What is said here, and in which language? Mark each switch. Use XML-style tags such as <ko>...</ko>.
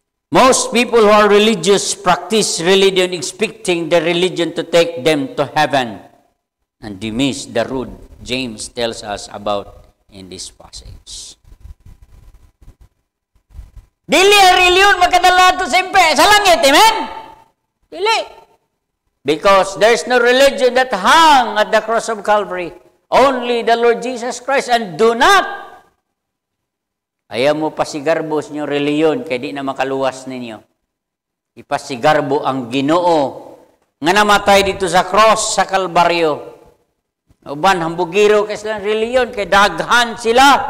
<en>Most people who are religious practice religion expecting the religion to take them to heaven. And they miss the road James tells us about in this passage.</en> <ceb>Dili ang reliyon magkadala ito sa langit. Amen? Dili.</ceb> <en>Because there's no religion that hung at the cross of Calvary. Only the Lord Jesus Christ. And do not.</en> <ceb>Ayaw mo pasigarbo sa inyong reliyon kaya di na makaluwas ninyo. Ipasigarbo ang Ginoo nga namatay dito sa cross sa Kalbaryo. Uban hambugiro kay sila reliyon kay daghan sila.</ceb>